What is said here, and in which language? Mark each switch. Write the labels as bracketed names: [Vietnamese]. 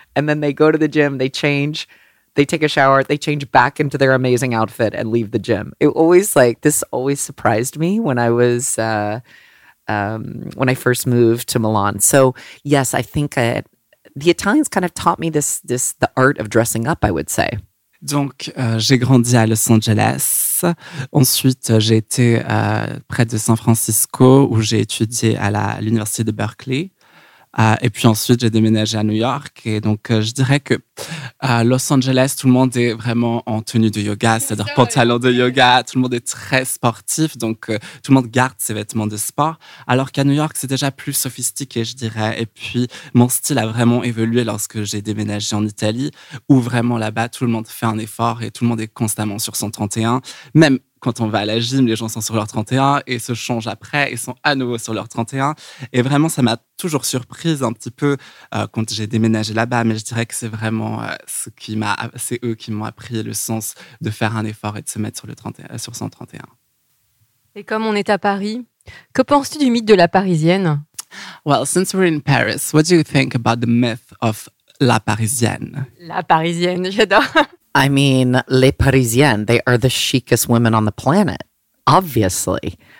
[English] And then they go to the gym, they change, they take a shower, they change back into their amazing outfit and leave the gym. It always like, this always surprised me when I was, when I first moved to Milan. So yes, I think the Italians kind of taught me this the art of dressing up, I would say. [French] Donc, j'ai grandi à Los Angeles. Ensuite, j'ai été près de San Francisco où j'ai étudié à l'Université de Berkeley. Et puis ensuite, j'ai déménagé à New York. Et donc, je dirais que à Los Angeles, tout le monde est vraiment en tenue de yoga, c'est-à-dire pantalon de yoga. Tout le monde est très sportif. Donc, tout le monde garde ses vêtements de sport. Alors qu'à New York, c'est déjà plus sophistiqué, je dirais. Et puis, mon style a vraiment évolué lorsque j'ai déménagé en Italie, où vraiment là-bas, tout le monde fait un effort et tout le monde est constamment sur son 31. Même quand on va à la gym, les gens sont sur leur 31 et se changent après et sont à nouveau sur leur 31. Et vraiment, ça m'a toujours surprise un petit peu quand j'ai déménagé là-bas. Mais je dirais que c'est vraiment c'est eux qui m'ont appris le sens de faire un effort et de se mettre sur son 31. Et comme on est à Paris, que penses-tu du mythe de la Parisienne? [English] Well, since we're in Paris, what do you think about the myth of la Parisienne? [French] La Parisienne, j'adore. [English] I mean, les Parisiennes, they are the chicest women on the planet, obviously.